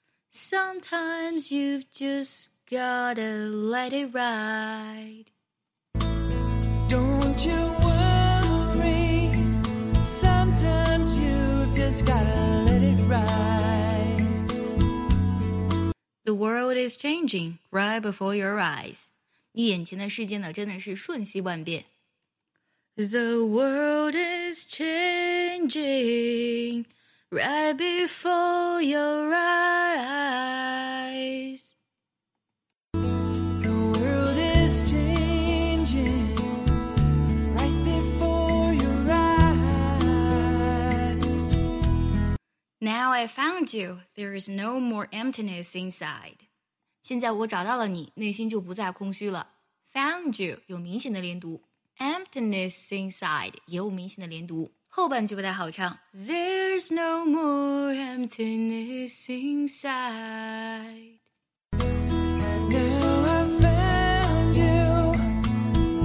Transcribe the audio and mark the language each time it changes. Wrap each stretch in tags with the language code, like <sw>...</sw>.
<en>Sometimes you've just gotta let it ride Don't you worry Sometimes you've just gotta let it ride The world is changing right before your eyes</en> <zh>你眼前的世界呢真的是瞬息万变</zh> <en>The world is changing right before your eyes. The world is changing right before your eyes. Now I found you. There is no more emptiness inside.</en> <zh>现在我找到了你，内心就不再空虚了。</zh> <en>Found you</en> <zh>有明显的连读。</zh> <en>Emptiness inside</en> <zh>也有明显的连读，后半句不太好唱。</zh> <en>There's no more emptiness inside. Now I found you.</en>